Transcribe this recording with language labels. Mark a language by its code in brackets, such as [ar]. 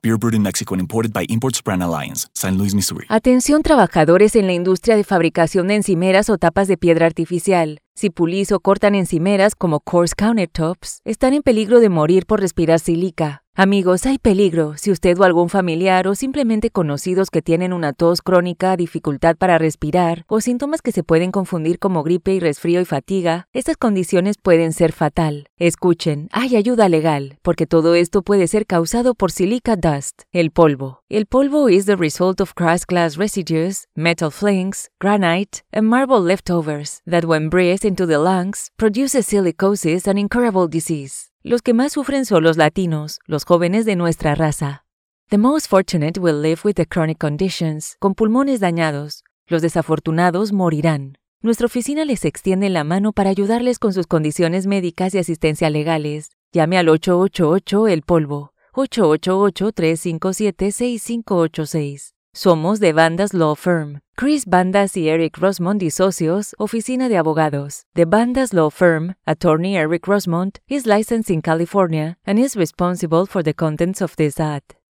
[en] Beer brewed in Mexico and imported by Imports Brand Alliance. San Luis, Missouri. [es] Atención, trabajadores en la industria de fabricación de encimeras o tapas de piedra artificial. Si pulís o cortan encimeras como coarse countertops, están en peligro de morir por respirar sílica. Amigos, hay peligro. Si usted o algún familiar o simplemente conocidos que tienen una tos crónica, dificultad para respirar o síntomas que se pueden confundir como gripe y resfrío y fatiga, estas condiciones pueden ser fatal. Escuchen, hay ayuda legal, porque todo esto puede ser causado por silica dust, el polvo. El polvo [en] is the result of crushed glass residues, metal flakes, granite, and marble leftovers that when breathed into the lungs, produces silicosis and incurable disease. [es] Los que más sufren son los latinos, los jóvenes de nuestra raza. [en] The most fortunate will live with the chronic conditions, [es] con pulmones dañados. Los desafortunados morirán. Nuestra oficina les extiende la mano para ayudarles con sus condiciones médicas y asistencia legales. Llame al 888-EL-POLVO, 888-357-6586. Somos de Bandas Law Firm. Chris Bandas y Eric Rosmond y socios, oficina de abogados. [en] The Bandas Law Firm, attorney Eric Rosmond, is licensed in California and is responsible for the contents of this ad.